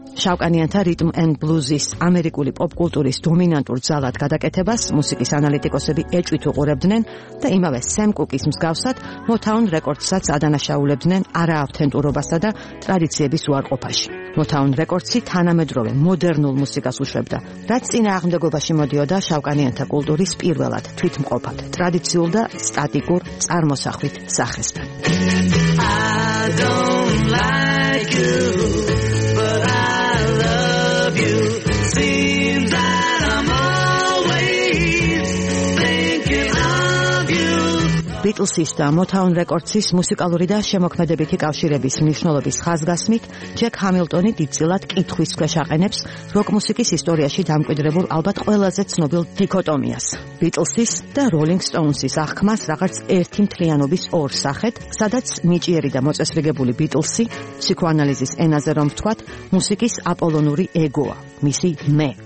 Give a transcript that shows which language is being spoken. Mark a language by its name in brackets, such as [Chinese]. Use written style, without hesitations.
[Georgian] შავკანიანთა რიტმ ენდ ბლუზის ამერიკული პოპკულტურის დომინანტურ ძალად გადაკეთებას მუსიკის ანალიტიკოსები ეჭვით უყურებდნენ და იმავე სემ კუკის მსგავსად Motown Records-საც ადანაშაულებდნენ არააუთენტურობასა და ტრადიციების უარყოფაში. Motown Records-ი თანამედროვე მოდერნულ მუსიკას უშვებდა, რაც წინააღმდეგობაში მოდიოდა შავკანიანთა კულტურის პირველად თვითმყოფად, ტრადიციულ და სტატიკურ წარმოსახვით სახესთან. [English] I don't like you, but I love you. Seems that I'm always thinking of you. [Georgian] Beatles-ის და Motown Records-ის მუსიკალური და შემოქმედებითი კავშირების მნიშვნელობის ხაზგასმით, ჯეკ ჰამილტონი დიდწილად კითხვის ქვეშ აყენებს როკ მუსიკის ისტორიაში დამკვიდრებულ ალბათ ყველაზე ცნობილ დიქოტომიას. Beatles-ის და Rolling Stones-ის აღქმას რაღაც ერთი მთლიანობის ორ სახეთ, სადაც ნიჭიერი და მოწესრიგებული Beatles-ი, ფსიქოანალიზის ენაზე რომ ვთქვათ, მუსიკის აპოლონური ეგოა, მისი მე,